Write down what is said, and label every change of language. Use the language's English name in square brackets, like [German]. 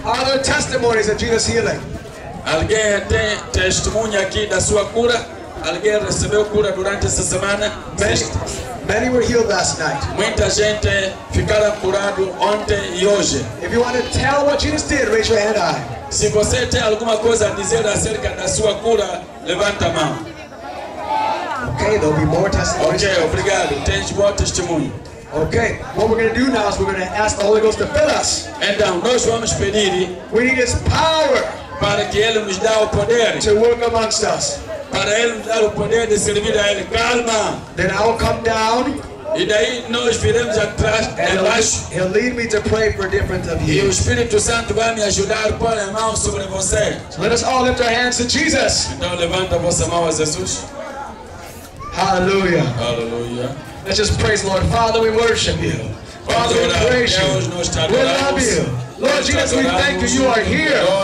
[English] Other testimonies of Jesus healing. [Portuguese] Alguém tem testemunha aqui da sua cura? Alguém recebeu cura durante essa semana? [English] Many were healed last night. [Portuguese] Muita gente ficara curado ontem e hoje. [English] If you want to tell what Jesus did, raise your hand high. [Portuguese] Se você tem alguma coisa a dizer acerca da sua cura, levanta a mão. [English] Okay, there'll be more testimonies. [Portuguese] Okay, obrigado. Tens bom testemunho. [English] Okay, what we're going to do now is we're going to ask the Holy Ghost to fill us. [Portuguese] Então, nós vamos pedir. [English] We need His power. [Portuguese] Para que Ele nos dê o poder. [English] To work amongst us. [Portuguese] Para Ele nos dar o poder de servir a Ele. Calma. [English] Then I'll come down. [Portuguese] E daí nós viremos atrás, embaixo. [English] He'll lead me to pray for different of you. [Portuguese] E o Espírito Santo vai me ajudar a pôr a mão sobre você. [English] So let us all lift our hands to Jesus. [Portuguese] Então levanta a vossa mão a Jesus. [English] Hallelujah. Hallelujah. Let's just praise the Lord. Father, we worship you. Father, we praise you. We love you. Lord Jesus, we thank you. You are here.